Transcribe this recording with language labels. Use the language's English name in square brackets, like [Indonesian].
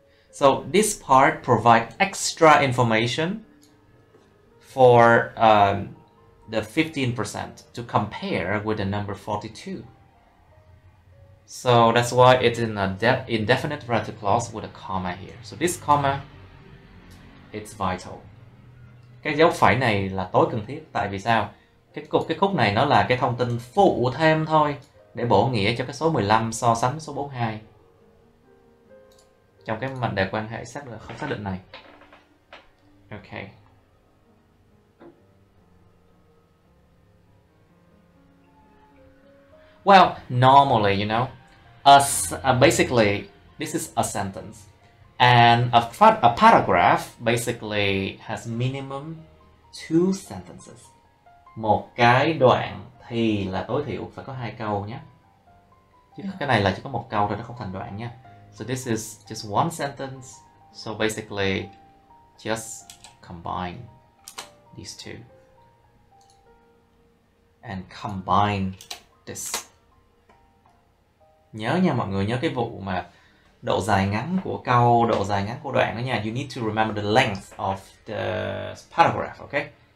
[English] So this part provide extra information for the 15% to compare with the number 42. So that's why it's in a indefinite relative clause with a comma here. So this comma, it's vital. [Vietnamese] Cái dấu phẩy này là tối cần thiết. Tại vì sao? Cái khúc này nó là cái thông tin phụ thêm thôi để bổ nghĩa cho cái số 15 so sánh số 42 trong cái mệnh đề quan hệ xác định không xác định này. [English] Okay. Well, normally, you know, basically, this is a sentence, and a paragraph basically has minimum two sentences. [Vietnamese] Một cái đoạn thì là tối thiểu phải có hai câu nhé. Chứ cái này là chỉ có một câu thôi, nó không thành đoạn nhé. [English] So this is just one sentence. So basically, just combine these two and combine this. [Vietnamese] Nhớ nha mọi người, nhớ cái vụ mà độ dài ngắn của câu, độ dài ngắn của đoạn đó nha. [English] You need to remember the length of the paragraph, okay?